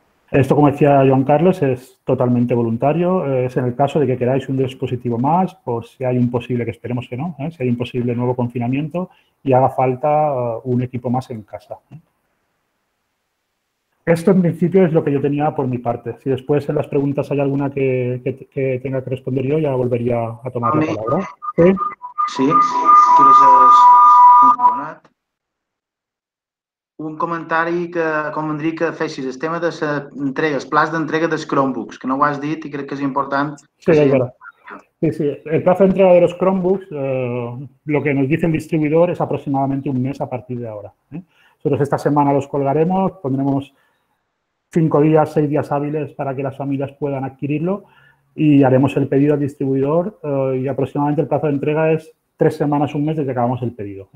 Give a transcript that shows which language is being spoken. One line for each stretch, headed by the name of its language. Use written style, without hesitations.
Spanish: Esto, como decía Joan Carlos, es totalmente voluntario. Es en el caso de que queráis un dispositivo más, por si hay un posible, que esperemos que no, si hay un posible nuevo confinamiento y haga falta un equipo más en casa. Esto, en principio, es lo que yo tenía por mi parte. Si después en las preguntas hay alguna que tenga que responder yo, ya volvería a tomar la palabra.
Catalan: Sí, quiero ser un comentari que convindria que fessis, el tema de les entregues, plaç d'entrega dels Chromebooks, que no ho has dit i crec que és important. Sí, és veritat. Sí, sí.
Spanish: El plazo de entrega de los Chromebooks, lo que nos dice el distribuidor, es aproximadamente un mes a partir de ahora. Nosotros esta semana los colgaremos, pondremos 5 días, 6 días hábiles para que las familias puedan adquirirlo y haremos el pedido al distribuidor y aproximadamente el plazo de entrega es 3 semanas, un mes desde que acabamos el pedido.